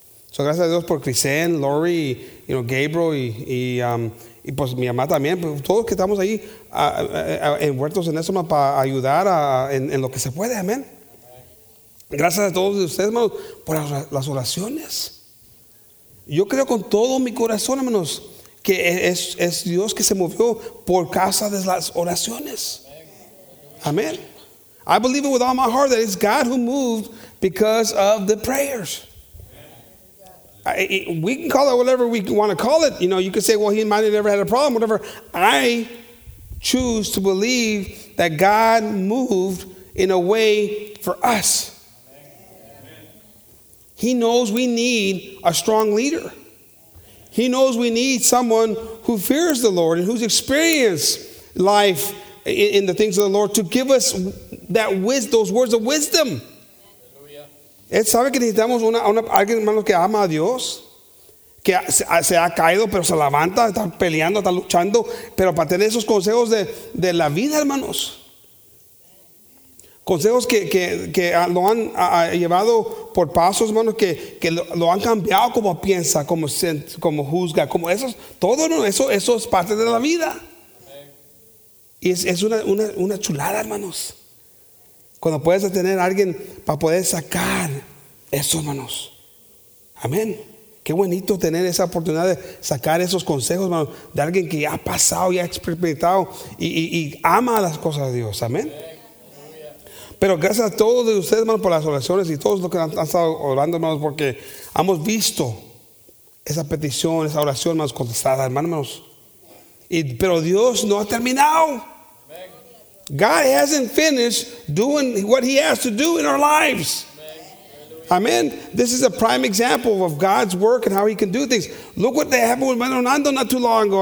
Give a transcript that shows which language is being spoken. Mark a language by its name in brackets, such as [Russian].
[Spanish] So, gracias a Dios por Crisen, Lori, [English] you know, [Spanish] Gabriel y pues mi mamá también, pues, todos que estamos ahí envueltos en eso, hermanos, para ayudar en lo que se puede, amén. Gracias a todos ustedes, hermanos, por las oraciones. Yo creo con todo mi corazón, hermanos, que es Dios que se movió por causa de las oraciones. Amén. [English] I believe it with all my heart that it's God who moved because of the prayers. We can call it whatever we want to call it. You know, you could say, well, he might have never had a problem, whatever. I choose to believe that God moved in a way for us. He knows we need a strong leader. He knows we need someone who fears the Lord and who's experienced life in the things of the Lord to give us that wisdom, those words of wisdom. [Spanish] Él sabe que necesitamos alguien, hermano, que ama a Dios, que se ha caído, pero se levanta, está peleando, está luchando, pero para tener esos consejos de la vida, hermanos. Consejos que lo han llevado por pasos, hermanos, que lo han cambiado como piensa, como juzga, como eso, todo, ¿no? eso es parte de la vida. Y es una chulada, hermanos. Cuando puedes tener a alguien para poder sacar eso, hermanos. Amén. Qué bonito tener esa oportunidad de sacar esos consejos, hermanos, de alguien que ya ha pasado, ya ha experimentado y ama las cosas de Dios. Amén. Pero gracias a todos de ustedes, hermanos, por las oraciones y todos los que han estado orando, hermanos, porque hemos visto esa petición, esa oración, hermanos, contestada, hermanos. Pero Dios no ha terminado. [English] God hasn't finished doing what he has to do in our lives. Amen. This is a prime example of God's work and how he can do things. Look what they happened with Manuel Hernando not too long ago.